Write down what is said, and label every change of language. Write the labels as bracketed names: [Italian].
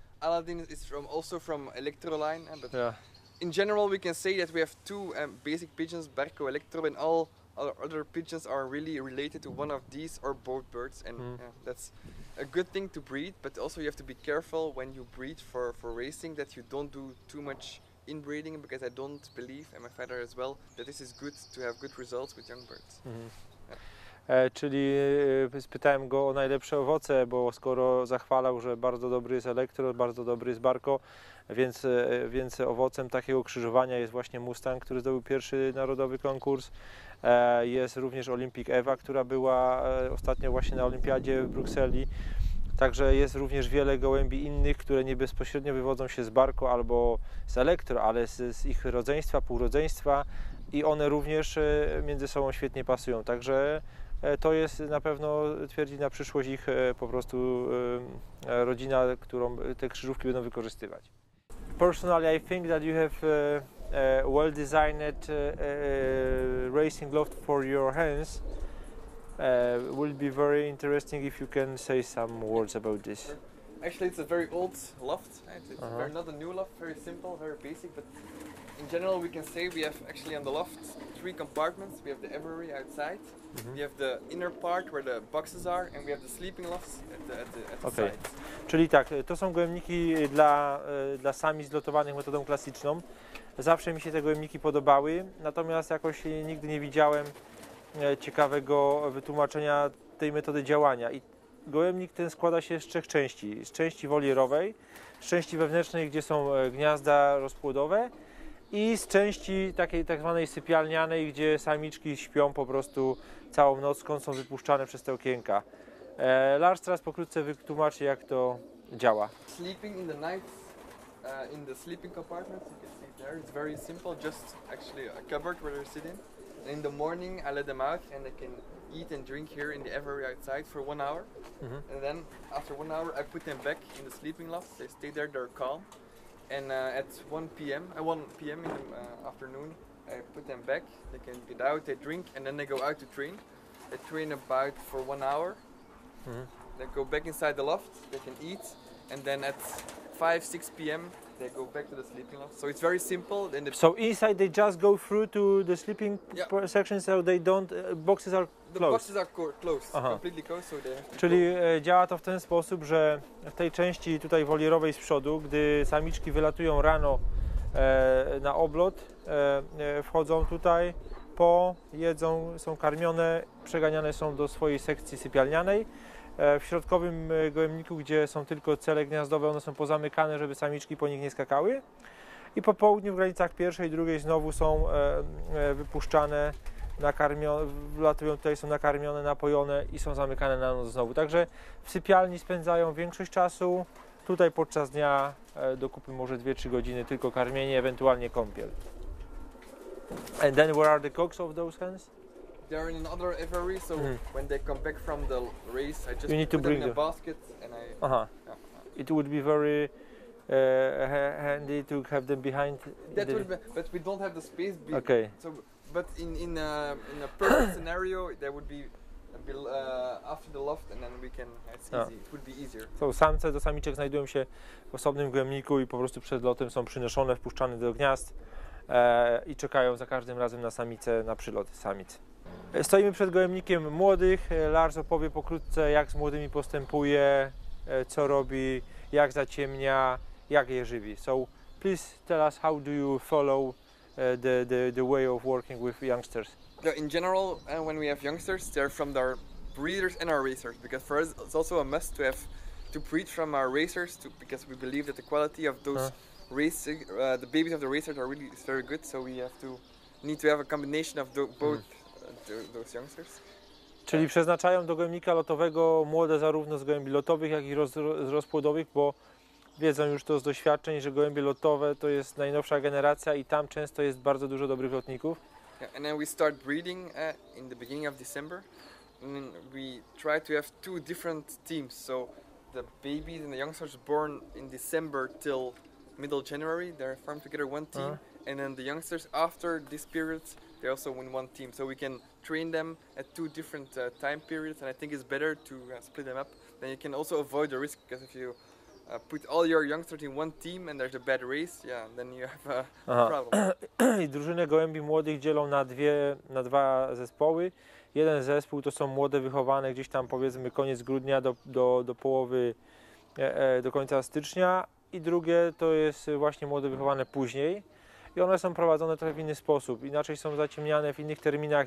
[English] Aladdin is also from Electro line, but in general we can say that we have two basic pigeons, Barko Electro, and all our other pigeons are really related to one of these or both birds, and that's a good thing to breed. But also you have to be careful when you breed for racing that you don't do too much inbreeding, because I don't believe, and my father as well, that this is good to have good results with young birds. [Polish] Czyli spytałem go o najlepsze owoce, bo skoro zachwalał, że bardzo dobry jest Elektro, bardzo dobry jest Barko, więc owocem takiego krzyżowania jest właśnie Mustang, który zdobył pierwszy narodowy konkurs. Jest również Olympic Eva, która była ostatnio właśnie na Olimpiadzie w Brukseli. Także jest również wiele gołębi innych, które nie bezpośrednio wywodzą się z barko albo z elektro, ale z ich rodzeństwa, półrodzeństwa i one również między sobą świetnie pasują. Także to jest na pewno, twierdzi na przyszłość ich po prostu rodzina, którą te krzyżówki będą wykorzystywać. [English] Personally, I think that you have well-designed racing loft for your hens. Will be very interesting if you can say some words about this. Actually, it's a very old loft. It's not a new loft, very simple, very basic. But in general, we can say we have actually on the loft three compartments. We have the aviary outside, mm-hmm. we have the inner part where the boxes are, and we have the sleeping lofts at the side. [Polish] Czyli tak, to są gołębniki dla sami zlotowanych metodą klasyczną. Zawsze mi się te gołębniki podobały, natomiast jakoś nigdy nie widziałem ciekawego wytłumaczenia tej metody działania. I gołębnik ten składa się z trzech części. Z części wolierowej, z części wewnętrznej, gdzie są gniazda rozpłodowe i z części takiej tak zwanej sypialnianej, gdzie samiczki śpią po prostu całą noc, skąd są wypuszczane przez te okienka. Lars teraz pokrótce wytłumaczy, jak to działa. [English] Sleeping in the night, in the sleeping compartment, you can see there, it's very simple, just actually a cupboard where they're sitting. In the morning I let them out and they can eat and drink here in the aviary outside for 1 hour. Mm-hmm. And then after 1 hour I put them back in the sleeping loft. They stay there, they're calm. And at 1 p.m. in the afternoon I put them back. They can get out, they drink and then they go out to train. They train about for 1 hour. Mm-hmm. They go back inside the loft, they can eat. And then at 5-6 p.m. they go back to the sleeping loft. So it's very simple. And so inside they just go through to the sleeping section, so they don't, boxes are closed. The boxes are closed, completely closed. So they have to [Polish] Czyli działa to w ten sposób, że w tej części tutaj wolierowej z przodu, gdy samiczki wylatują rano na oblot, wchodzą tutaj, jedzą, są karmione, przeganiane są do swojej sekcji sypialnianej. W środkowym gołębniku, gdzie są tylko cele gniazdowe, one są pozamykane, żeby samiczki po nich nie skakały. I po południu w granicach pierwszej i drugiej znowu są wypuszczane, nakarmione, wlatują tutaj, są nakarmione, napojone i są zamykane na noc znowu. Także w sypialni spędzają większość czasu, tutaj podczas dnia dokupy może 2-3 godziny tylko karmienie, ewentualnie kąpiel. [English] And then where are the cocks of those hens? They're in another aviary, so when they come back from the race, I just put them in a basket and I... It would be very handy to have them behind... But we don't have the space. Okay. So, but in a perfect scenario, they would be after the loft and then we can... It's easy, it would be easier. [Polish] So samce do samiczek znajdują się w osobnym gołębniku i po prostu przed lotem są przynoszone, wpuszczane do gniazd i czekają za każdym razem na samice, na przylot samic. Stoimy przed gołębnikiem młodych. Lars opowie pokrótce, jak z młodymi postępuje, co robi, jak zaciemnia, jak je żywi. [English] So, please tell us how do you follow the way of working with youngsters. In general, when we have youngsters, they're from our breeders and our racers, because for us it's also a must to have to breed from our racers, to, because we believe that the quality of those racing, the babies of the racers are really is very good. So we have to need to have a combination of both. Those youngsters. [Polish] Czyli przeznaczają do gołębnika lotowego młode zarówno z gołębi lotowych, jak i z rozpłodowych, bo wiedzą już to z doświadczeń, że gołębie lotowe to jest najnowsza generacja i tam często jest bardzo dużo dobrych lotników. [English] Yeah, and then we start breeding in the beginning of December. And we try to have two different teams. So the babies and the youngsters born in December till middle January, they're formed together one team. And then the youngsters after this period, they also win one team, so we can train them at two different time periods, and I think it's better to split them up. Then you can also avoid the risk, because if you put all your youngsters in one team and there's a bad race, yeah, then you have a problem. [Polish] I drużynę gołębi młodych dzielą na dwa zespoły. Jeden zespół to są młode wychowane gdzieś tam powiedzmy koniec grudnia do połowy, do końca stycznia, i drugie to jest właśnie młode wychowane później. I one są prowadzone trochę w inny sposób, inaczej są zaciemniane, w innych terminach.